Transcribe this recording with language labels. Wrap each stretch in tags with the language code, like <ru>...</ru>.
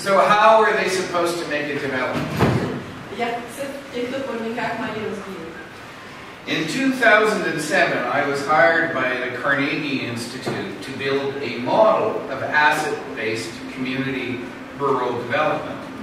<en>So how are they supposed to make a development?</en> <cs>Jak se v těchto podmínkách mají rozvíjet?</cs> <en>In 2007, I was hired by the Carnegie Institute to build a model of asset-based community rural development.</en>